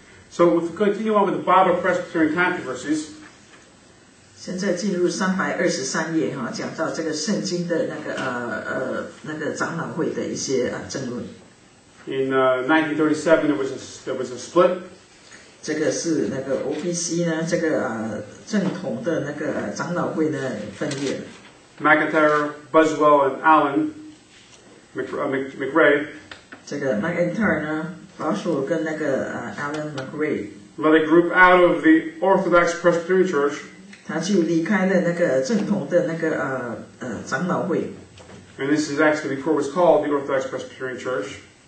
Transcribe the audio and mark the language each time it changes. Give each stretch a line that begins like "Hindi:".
English: So if we continue on with the Bible Presbyterian controversies.
Chinese: 现在进入323页，讲到这个圣经的那个长老会的一些争论。
English: In 1937, there was a split. McIntyre, Buswell, and Allen, McRae.
Chinese: 这个McIntyre呢, Buswell跟那个, Allen McRae.
English: Let a group out of the Orthodox Presbyterian Church.
Chinese: 他就离开了那个正统的那个长老会。
English: And this is actually before it was called the Orthodox Presbyterian Church.